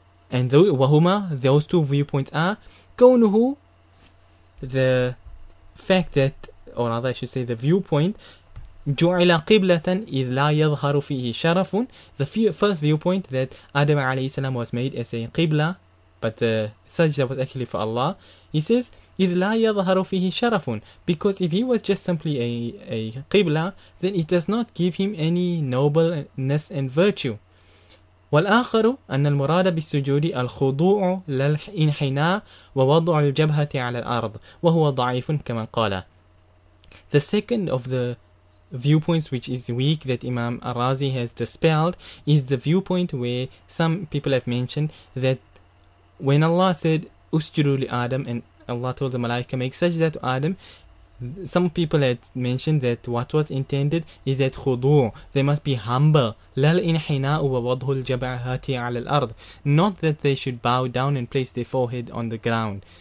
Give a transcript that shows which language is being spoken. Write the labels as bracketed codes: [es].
[en] And those two viewpoints are, [ar] كونه, [en] the fact that, or rather I should say the viewpoint, [ar] جعل قبلة إذ لا يظهر فيه شرف. [en] The first viewpoint, that Adam عليه السلام was made as a qibla, but the sajda was actually for Allah. He says, [ar] إذ لا يظهر فيه شرف. [en] Because if he was just simply a qibla, then it does not give him any nobleness and virtue. [ar] والآخر أن المراد بالسجود الخضوع للإنحناء ووضع الجبهة على الأرض وهو ضعيف كما قال. [en] The second of the viewpoints which is weak that Imam al-Razi has dispelled is the viewpoint where some people have mentioned that when Allah said [ar] أسجدوا لآدم [en] and Allah told the Malaika make sajda to Adam, some people had mentioned that what was intended is that khudu, they must be humble, [ar] لا الانحناء ووضع الجبهات على الأرض, [en] not that they should bow down and place their forehead on the ground.